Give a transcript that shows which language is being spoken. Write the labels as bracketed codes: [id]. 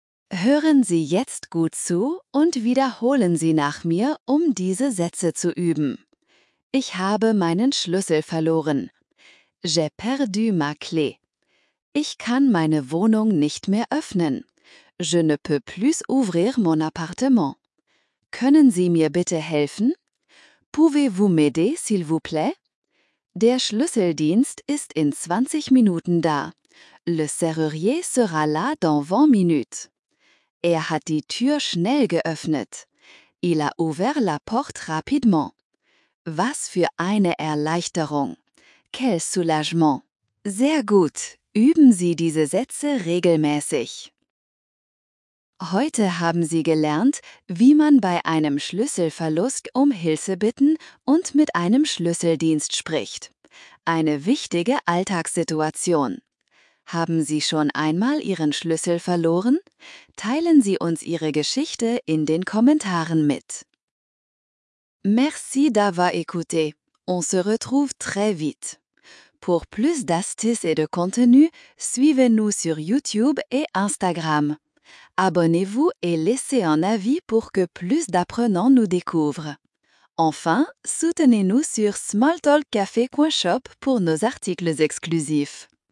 [de] Hören Sie jetzt gut zu und wiederholen Sie nach mir, um diese Sätze zu üben. Ich habe meinen Schlüssel verloren. [fr] J'ai perdu ma clé. [de] Ich kann meine Wohnung nicht mehr öffnen. [fr] Je ne peux plus ouvrir mon appartement. [de] Können Sie mir bitte helfen? [fr] Pouvez-vous m'aider, s'il vous plaît? [de] Der Schlüsseldienst ist in 20 Minuten da. [fr] Le serrurier sera là dans 20 minutes. [de] Er hat die Tür schnell geöffnet. [fr] Il a ouvert la porte rapidement. [de] Was für eine Erleichterung! [fr] Quel soulagement! [de] Sehr gut! Üben Sie diese Sätze regelmäßig. Heute haben Sie gelernt, wie man bei einem Schlüsselverlust um Hilfe bitten und mit einem Schlüsseldienst spricht. Eine wichtige Alltagssituation. Haben Sie schon einmal Ihren Schlüssel verloren? Teilen Sie uns Ihre Geschichte in den Kommentaren mit. [fr] Merci d'avoir écouté. On se retrouve très vite. Pour plus d'astuces et de contenu, suivez-nous sur YouTube et Instagram. Abonnez-vous et laissez un avis pour que plus d'apprenants nous découvrent. Enfin, soutenez-nous sur smalltalkcafé.shop pour nos articles exclusifs.